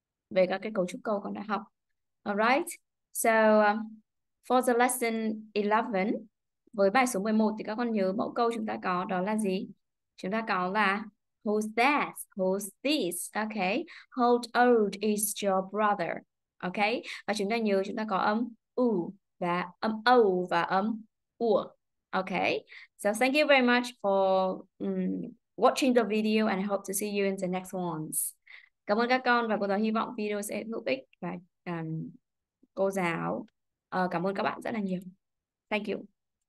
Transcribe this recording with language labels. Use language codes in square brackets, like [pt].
[vi] Về các cái cấu trúc câu con đã học. [en] Alright, so for the lesson 11, [vi] với bài số 11 thì các con nhớ mẫu câu chúng ta có đó là gì? Chúng ta có là [en] who's that? Who's this? Okay, how old is your brother? Okay, [vi] và chúng ta nhớ chúng ta có âm u. Và âm âu và âm ủa. Okay. [en] So thank you very much for watching the video and I hope to see you in the next ones. [vi] Cảm ơn các con và cô giáo hy vọng video sẽ hữu ích và cô giáo. Cảm ơn các bạn rất là nhiều. [en] Thank you.